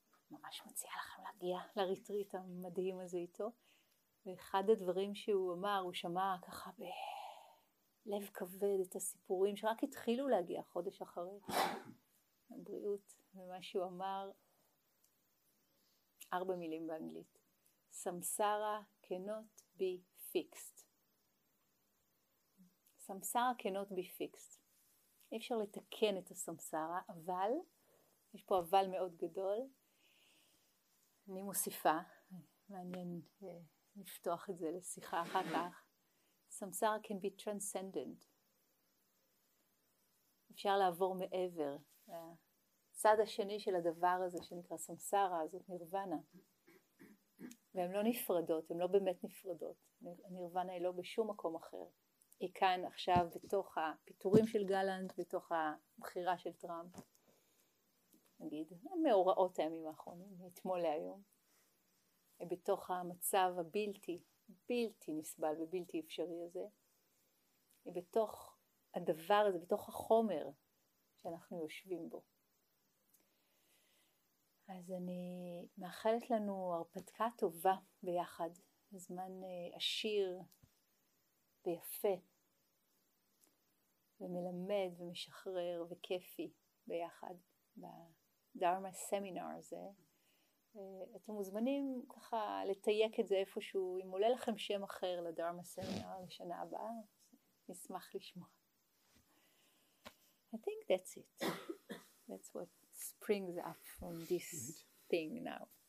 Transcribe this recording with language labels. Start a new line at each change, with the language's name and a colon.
Hebrew: ממש מציע לכם להגיע לריטריט המדהים הזה איתו. ואחד הדברים שהוא אמר, הוא שמע ככה בלב כבד את הסיפורים שרק התחילו להגיע חודש אחרי הבריאות. ומה שהוא אמר, 4 מילים באנגלית.
English: Samsara cannot be fixed. Samsara cannot be fixed.
Hebrew: אי אפשר לתקן את הסמסרה, אבל, יש פה אבל מאוד גדול, אני מוסיפה, מעניין נפתוח את זה לשיחה אחר כך.
English: סמסרה can be transcendent.
Hebrew: אפשר לעבור מעבר. הצד השני של הדבר הזה שנקרא סמסרה, זאת נירוונה. והן לא נפרדות, הן לא באמת נפרדות. הנירוונה היא לא בשום מקום אחר. היא כאן עכשיו בתוך הפיתורים של גלנט, בתוך הבחירה של טראמפ. נגיד, מאורעות הימים האחרונים, מאתמול להיום. בתוך המצב הבלתי, בלתי נסבל ובלתי אפשרי הזה. בתוך הדבר הזה, בתוך החומר שאנחנו יושבים בו. אז אני מאחלת לנו הרפתקה טובה ביחד, זמן עשיר ויפה ומלמד ומשחרר וכיפי ביחד בדרמה סמינר הזה. אתם מוזמנים ככה לתייק את זה איפשהו, אם עולה לכם שם אחר לדרמה סמינר לשנה הבאה, נשמח לשמוע.
English: I think that's it. That's what springs up from this thing now.